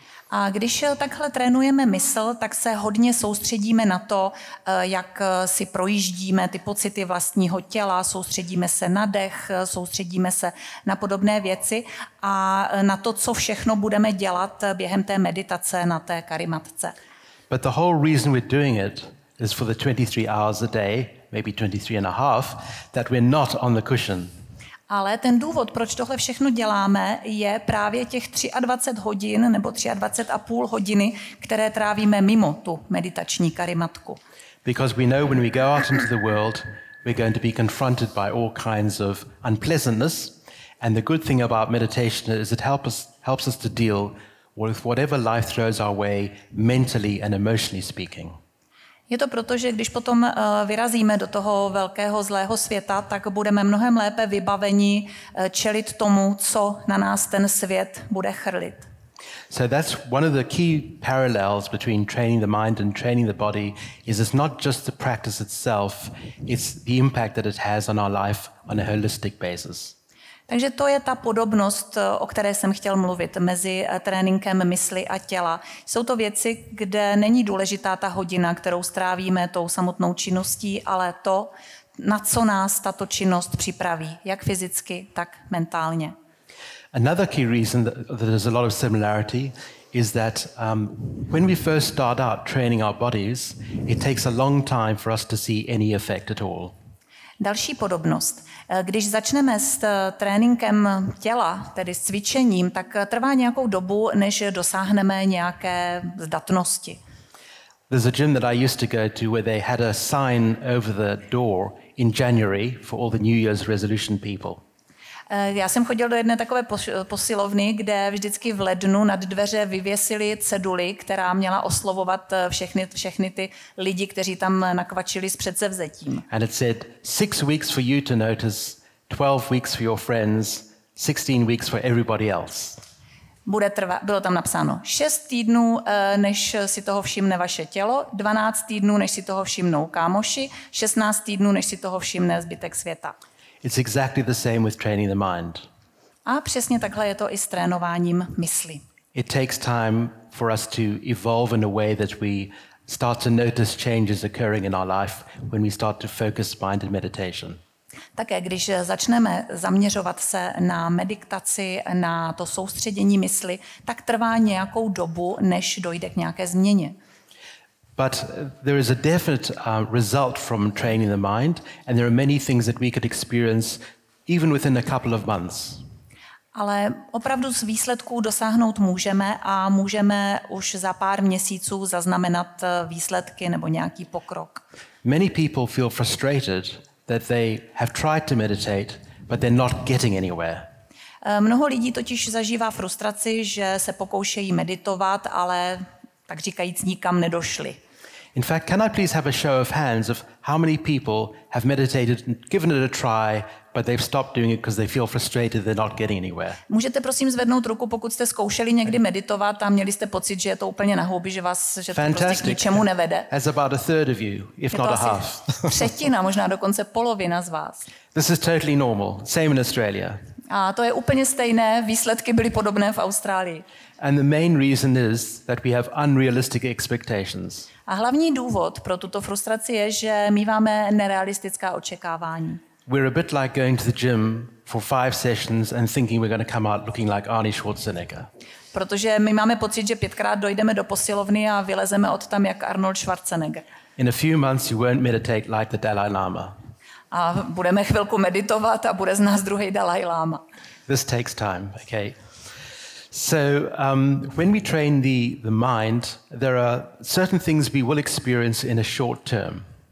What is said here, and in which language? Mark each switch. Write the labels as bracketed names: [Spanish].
[Czech] A když takhle trénujeme mysl, tak se hodně soustředíme na to, jak si projíždíme ty pocity vlastního těla, soustředíme se na dech, soustředíme se na podobné věci a na to, co všechno budeme dělat během té meditace na té karimatce. [English] But the whole reason we're doing it is for the 23 hours a day, maybe 23 and a half, that we're not on the cushion. [Czech] Ale ten důvod, proč tohle všechno děláme, je právě těch 23 hodin nebo 23 a půl hodiny, které trávíme mimo tu meditační karimatku. [English] Because we know when we go out into the world, we're going to be confronted by all kinds of unpleasantness, and the good thing about meditation is it helps us to deal with whatever life throws our way mentally and emotionally speaking. [Czech] Je to proto, že když potom vyrazíme do toho velkého zlého světa, tak budeme mnohem lépe vybaveni čelit tomu, co na nás ten svět bude chrlit. [English] So that's one of the key parallels between training the mind and training the body is it's not just the practice itself, it's the impact that it has on our life on a holistic basis. [Czech] Takže to je ta podobnost, o které jsem chtěl mluvit, mezi tréninkem mysli a těla. Jsou to věci, kde není důležitá ta hodina, kterou strávíme tou samotnou činností, ale to, na co nás tato činnost připraví, jak fyzicky, tak mentálně. [English] Another key reason that there's a lot of similarity is that when we first start out training our bodies, it takes a long time for us to see any effect at all. [Czech] Další podobnost. Když začneme s tréninkem těla, tedy s cvičením, tak trvá nějakou dobu, než dosáhneme nějaké zdatnosti. [English] There's a gym that I used to go to where they had a sign over the door in January for all the New Year's resolution people. [Czech] Já jsem chodil do jedné takové posilovny, kde vždycky v lednu nad dveře vyvěsili ceduli, která měla oslovovat všechny ty lidi, kteří tam nakvačili s předsevzetím. [English] And it said 6 weeks for you to notice, 12 weeks for your friends, 16 weeks for everybody else. [Czech] Bylo tam napsáno 6 týdnů, než si toho všimne vaše tělo, 12 týdnů, než si toho všimnou kámoši, 16 týdnů, než si toho všimne zbytek světa. [English] It's exactly the same with training the mind. [Czech] A přesně takhle je to i s trénováním mysli. [English] It takes time for us to evolve in a way that we start to notice changes occurring in our life when we start to focus mind and meditation. [Czech] Také když začneme zaměřovat se na meditaci, na to soustředění mysli, tak trvá nějakou dobu, než dojde k nějaké změně. [English] But there is a definite result from training the mind, and there are many things that we could experience even within a couple of months. [Czech] Ale opravdu z výsledků dosáhnout můžeme a můžeme už za pár měsíců zaznamenat výsledky nebo nějaký pokrok. [English] Many people feel frustrated that they have tried to meditate, but they're not getting anywhere. [Czech] Mnoho lidí totiž zažívá frustraci, že se pokoušejí meditovat, ale tak říkajíc, nikam nedošli. [English] In fact, can I please have a show of hands of how many people have meditated and given it a try, but they've stopped doing it because they feel frustrated, they're not getting anywhere. [Czech] Můžete prosím zvednout ruku, pokud jste zkoušeli někdy meditovat a měli jste pocit, že je to úplně na houby, že vás, že to prostě k ničemu nevede. [English] As about a third of you, if not a half. [Czech] Třetina, možná dokonce polovina z vás. [English] This is totally normal. Same in Australia. [Czech] A to je úplně stejné, výsledky byly podobné v Austrálii. [English] And the main reason is that we have unrealistic expectations. [Czech] A hlavní důvod pro tuto frustraci je, že míváme nerealistická očekávání. [English] We're a bit like going to the gym for 5 sessions and thinking we're going to come out looking like Arnie Schwarzenegger. [Czech] Protože my máme pocit, že pětkrát dojdeme do posilovny a vylezeme od tam jak Arnold Schwarzenegger. [English] In a few months you won't meditate like the Dalai Lama. [Czech] A budeme chvilku meditovat a bude z nás druhý Dalai Lama. [English] This takes time, okay? So, when we train the mind, there are certain things we will experience in a short term.